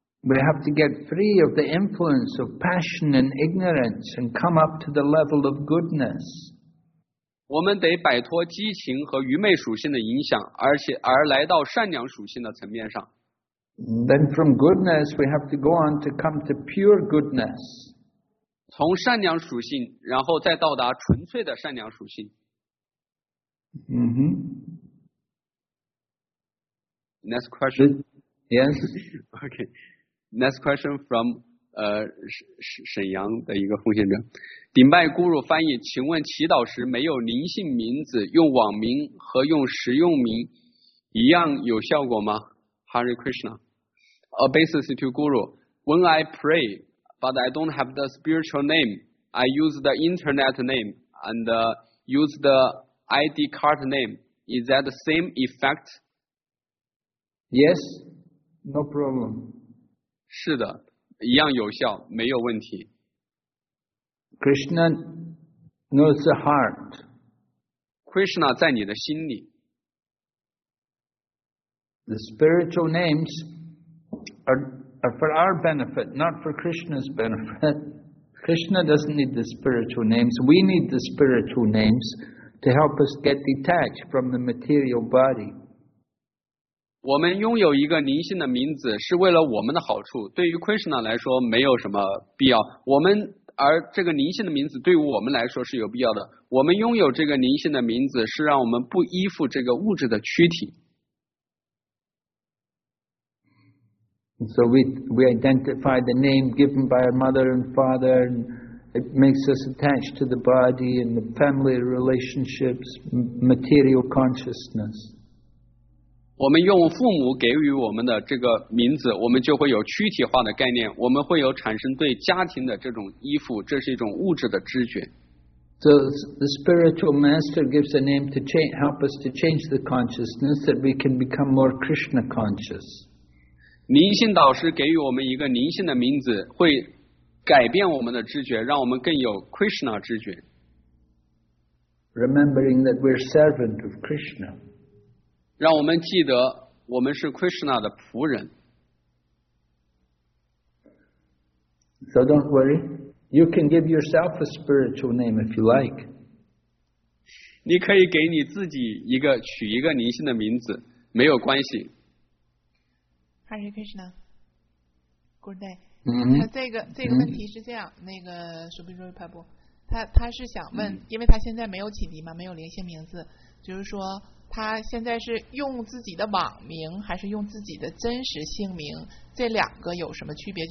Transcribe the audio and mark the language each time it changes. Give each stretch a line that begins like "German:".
English: We have to get free of the influence of passion and ignorance and come up to the level of goodness.
Chinese: 我们得摆脱激情和愚昧属性的影响, 而来到善良属性的层面上。
English: Then from goodness, we have to go on to come to pure goodness.
Chinese: 从善良属性, 然后再到达纯粹的善良属性。 Mm-hmm.
English: Next question. Yes. Okay. Next question from
Chinese: 沈阳的一个奉献者。顶拜guru翻译, 请问祈祷时没有灵性名字, 用网名和用实用名, 一样有效果吗?
English: Hare Krishna. A basis to Guru. When I pray, but I don't have the spiritual name, I use the internet name and use the ID card name. Is that the same effect? Yes, no problem.
Chinese: 是的, 一样有效, 没有问题。
English: Krishna knows the heart.
Chinese: Krishna 在你的心里。
English: The spiritual names are for our benefit, not for Krishna's benefit. Krishna doesn't need the spiritual names. We need the spiritual names to help us get detached from the material body.
Chinese: 我们拥有一个灵性的名字是为了我们的好处。对于 Krishna 来说没有什么必要。 我们, 而这个灵性的名字对我们来说是有必要的。我们拥有这个灵性的名字是让我们不依附这个物质的躯体。
English: So we identify the name given by our mother and father, and it makes us attached to the body and the family relationships, material consciousness.
Chinese: 我们用父母给予我们的这个名字，我们就会有躯体化的概念，我们会有产生对家庭的这种依附，这是一种物质的知觉。
English: So the spiritual master gives a name to help us to change the consciousness that we can become more Krishna conscious.
Chinese: 灵性导师给予我们一个灵性的名字，会改变我们的知觉，让我们更有 Krishna 知觉。
English: Remembering that we're servant of Krishna.
Chinese: 让我们记得我们是 Krishna 的仆人。
English: So don't worry. You can give yourself a spiritual name if you like.
Chinese: 你可以给你自己一个取一个灵性的名字，没有关系。
English: Hare Krishna, good day.、 Mm-hmm.
Chinese: 这个问题是这样、mm-hmm. 那个 Subhidroi Prabhu, 他是想问、mm-hmm. 因为他现在没有启迪嘛，没有连线名字，就是说他现在是用自己的网名还是用自己的真实姓名，这两个有什么区别？